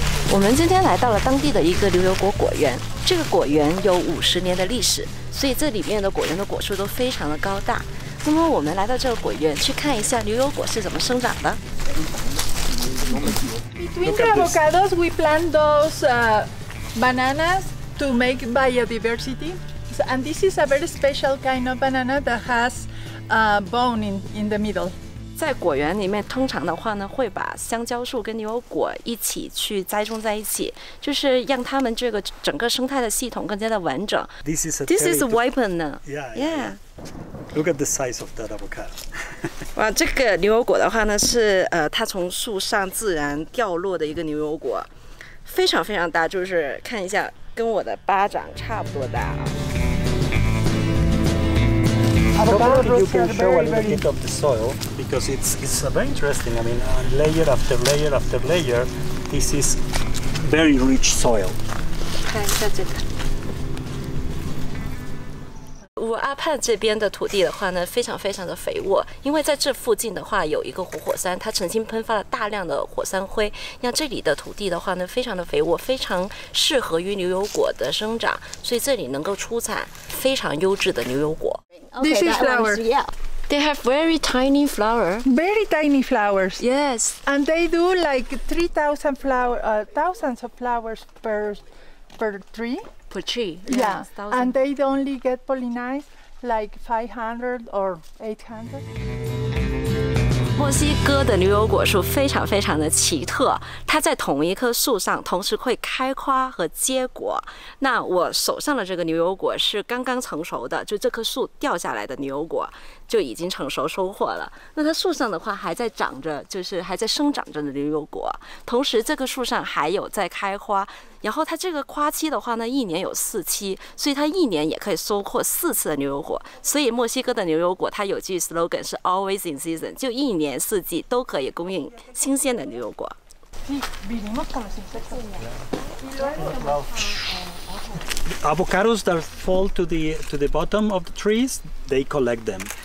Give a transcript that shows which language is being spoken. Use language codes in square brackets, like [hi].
[zh] 我们今天来到了当地的一个牛油果果园，这个果园有50年的历史，所以这里面的果园的果树都非常的高大。那么我们来到这个果园去看一下牛油果是怎么生长的。 [en] Between the avocados, we plant those bananas to make biodiversity. So, and this is a very special kind of banana that has bone in the middle. [zh] 在果园里面，通常的话呢，会把香蕉树跟牛油果一起去栽种在一起，就是让它们这个整个生态的系统更加的完整。 [en] This is ripen. Yeah. Look at the size of that avocado. [zh] 哇，这个牛油果的话呢，是它从树上自然掉落的一个牛油果，非常非常大，就是看一下，跟我的巴掌差不多大。 [en] Avocado, you can show a little bit of the soil because it's very interesting. I mean, layer after layer after layer, this is very rich soil. [zh] 看一下这个。乌阿盼这边的土地的话呢，非常非常的肥沃，因为在这附近的话有一个火山，它曾经喷发了大量的火山灰，让这里的土地的话呢非常的肥沃，非常适合于牛油果的生长，所以这里能够出产非常优质的牛油果。 [en] This is flower. They have very tiny flower. Very tiny flowers. Yes. And they do like 3,000 flower, thousands of flowers per tree. Per tree, yeah, and they only get pollinized like 500 or 800. [zh] 墨西哥的牛油果树非常非常的奇特，它在同一棵树上同时会开花和结果。那我手上的这个牛油果是刚刚成熟的，就这棵树掉下来的牛油果就已经成熟收获了。那它树上的话还在长着，就是还在生长着的牛油果，同时这棵树上还有在开花。然后它这个花期的话呢，一年有4期，所以它一年也可以收获4次的牛油果。所以墨西哥的牛油果，它有句 slogan 是 [en] always in season， [zh] 就一年四季都可以供应新鲜的牛油果。 [en] Avocados that fall to the bottom of the trees, they collect them.